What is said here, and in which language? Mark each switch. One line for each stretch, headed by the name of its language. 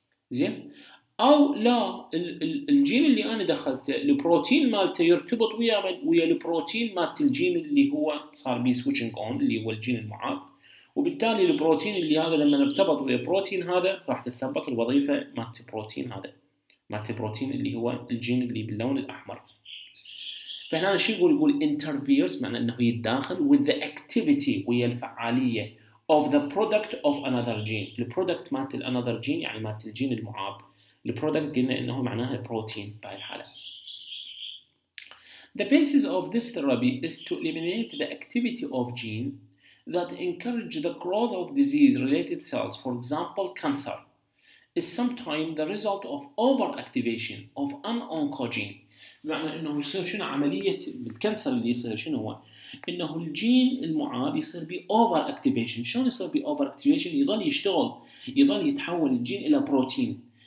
Arabic: زين؟ أو لا، الجين اللي أنا دخلته البروتين مالته يرتبط ويا البروتين مالت الجين اللي هو صار بي switching on اللي هو الجين المعاق، وبالتالي البروتين اللي هذا لما ارتبط ويا البروتين هذا راح تثبط الوظيفة مالت البروتين هذا، مالت البروتين اللي هو الجين اللي باللون الأحمر.
English: فهنا شو يقول interferes معنى انه يتداخل with the activity ويا الفعالية of the product of another gene.
Arabic: The product مات الـ another gene يعني مات الجين المعاب. The product قلنا انه معناها البروتين بهاي الحالة.
English: The basis of this therapy is to eliminate the activity of gene that encourage the growth of disease related cells, for example cancer, is sometimes the result of overactivation of an oncogene.
Arabic: بمعنى انه يصير شنو عملية الكانسر اللي يصير شنو هو؟ انه الجين المعاب يصير بي اوفر اكتيفيشن، شلون يصير بي اوفر اكتيفيشن؟ يظل يشتغل، يظل يتحول الجين الى بروتين.